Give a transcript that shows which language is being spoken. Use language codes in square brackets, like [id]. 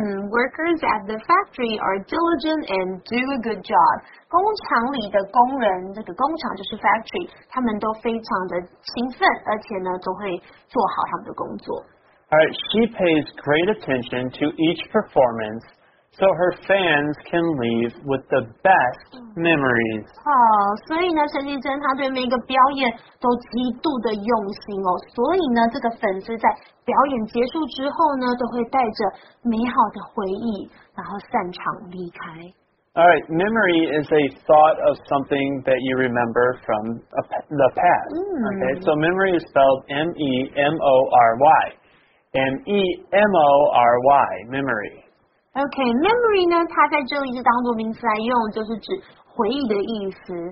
[en] Workers at the factory are diligent and do a good job. [zh] 工厂里的工人，这个工厂就是 factory， 他们都非常的勤奋，而且呢都会做好他们的工作。 [en] All right, she pays great attention to each performance. So her fans can leave with the best memories. [zh] 所以呢，陈绮贞她对每个表演都极度的用心哦。所以呢，这个粉丝在表演结束之后呢，都会带着美好的回忆，然后散场离开。 [en] All right, memory is a thought of something that you remember from the past. Okay, so memory is spelled M-E-M-O-R-Y. M-E-M-O-R-Y, memory. [zh] Okay, memory 呢，它在这里是当作名词来用，就是指回忆的意思。